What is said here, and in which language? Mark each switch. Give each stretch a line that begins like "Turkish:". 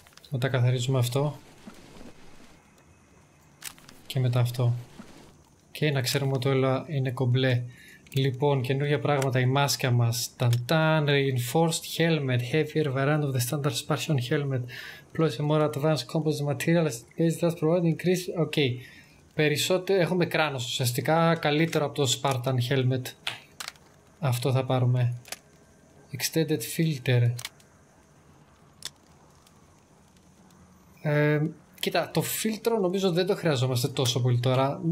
Greek: Μετά καθαρίζουμε αυτό και μετά αυτό και να ξέρουμε ότι όλα είναι κομπλέ. Λοιπόν, καινούργια πράγματα, η μάσκα μας.
English: Ταντάν, reinforced helmet, heavier variant of the standard Spartan helmet. Plus a more advanced composite material, as it does provide increased...
Greek: Ok, περισσότερο, έχουμε κράνος ουσιαστικά, καλύτερο από το Spartan helmet. Αυτό θα πάρουμε.
English: Extended filter.
Greek: Κοίτα, το φίλτρο νομίζω δεν το χρειαζόμαστε τόσο πολύ τώρα.